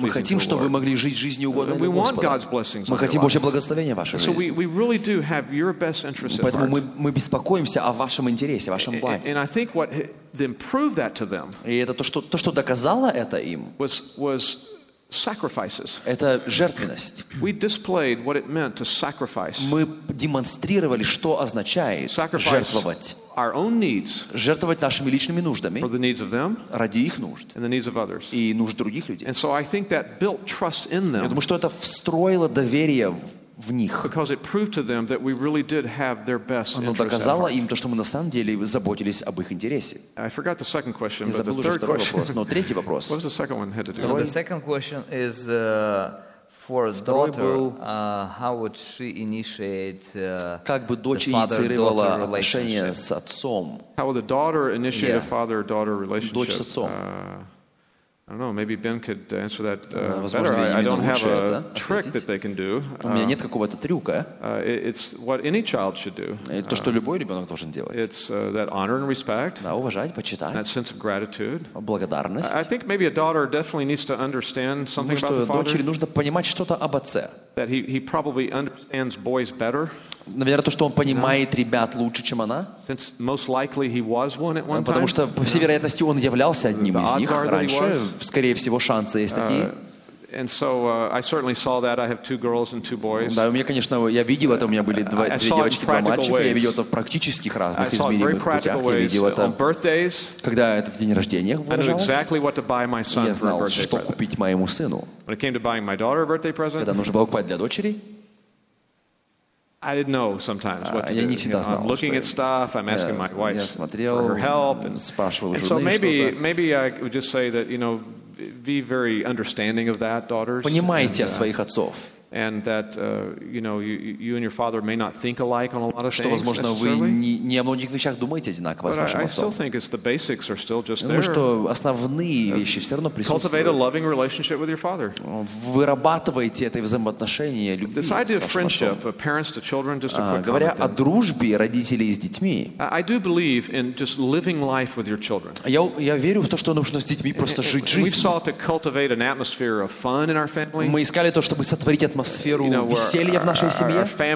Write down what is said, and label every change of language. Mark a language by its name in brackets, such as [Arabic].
[Russian] Мы хотим, чтобы вы могли жить жизнью угодной Господу. [English] We want God's blessings. [Russian] Мы хотим Божье благословение в вашей жизни. [English] So we really do have your best interests. [Russian] Поэтому мы беспокоимся о вашем интересе, о вашем благе. [English] And I think what then proved that to them. [Russian] И это то, что доказало это им. [English] Was Sacrifices. [Russian] Это жертвенность. [English] We displayed what it meant to sacrifice. [Russian] Мы демонстрировали, что означает [English] sacrifice [Russian] жертвовать. [English] Our own needs. [Russian] Жертвовать нашими личными нуждами. [English] For the needs of them. [Russian] Ради их нужд. [English] And the needs of others. [Russian] И нужд других людей. [English] And so I think that built trust in them. [Russian] Я думаю, что это встроило доверие в них. [English] Because it proved to them that we really did have their best interests at heart. [Russian] Оно доказало им то, что мы на самом деле заботились об их интересе. [English] I forgot the second question, but the third question. [Russian] Третий вопрос. [English] What was the second one had to do? The second question is for the daughter. How would she initiate? [Russian] Как бы дочь инициировала отношения с отцом? [English] How would the daughter initiate a father-daughter relationship? [Russian] Дочь с отцом. [English] I don't know, maybe Ben could answer that better. I don't have a trick that they can do. [Russian] У меня нет какого-то трюка. [English] It's what any child should do. [Russian] То, что любой ребенок должен делать. [English] It's that honor and respect. [Russian] Да, уважать, почитать. [English] That sense of gratitude. [Russian] Благодарность. [English] I think maybe a daughter definitely needs to understand something about the father. [Russian] Дочери нужно понимать что-то об отце. [English] That he probably understands boys better. [Russian] Наверное, то, что он понимает ребят лучше, чем она. [English] Since most likely he was one at one time. [Russian] Потому что, по всей вероятности, он являлся одним из них раньше. Скорее всего, шансы есть такие. [English] And so I certainly saw that. I have two girls and two boys. [Russian] Да, у меня, конечно, я видел это. У меня были две девочки, два мальчика. Я видел это в практических разных измеримых путях. Я видел это. [English] On birthdays. [Russian] Когда это в день рождения выражалось. [English] I knew exactly what to buy my son. [Russian] Я знал, что купить моему сыну. [English] When it came to buying my daughter a birthday present. [Russian] Когда нужно было купить для дочери. [English] I didn't know sometimes what to do. [Russian] Я не всегда знал. [English] I'm looking at stuff. I'm asking my wife for her help. [Russian] Я смотрел, спрашивал жены что-то. [English] And so maybe I would just say that, you know. Be very understanding of that, daughters. [Russian] Понимайте о своих отцов. [English] And that you know you and your father may not think alike on a lot of things. [Russian] Что возможно вы не о многих вещах думаете одинаково с вашим отцом. [English] But I still think it's the basics are still just there. [Russian] Думаю, что основные вещи все равно присутствуют. [English] Cultivate a loving relationship with your father. [Russian] Вырабатывайте это взаимоотношение любви с вашим отцом. [English] This idea of friendship, of parents to children, just a quick comment. [Russian] Говоря о дружбе родителей с детьми. [English] I do believe in just living life with your children. [Russian] Я верю в то, что нужно с детьми просто жить жизнь. [English] We sought to cultivate an atmosphere of fun in our family. [Russian] Мы искали то, чтобы сотворить атмосферу веселья в нашей семье.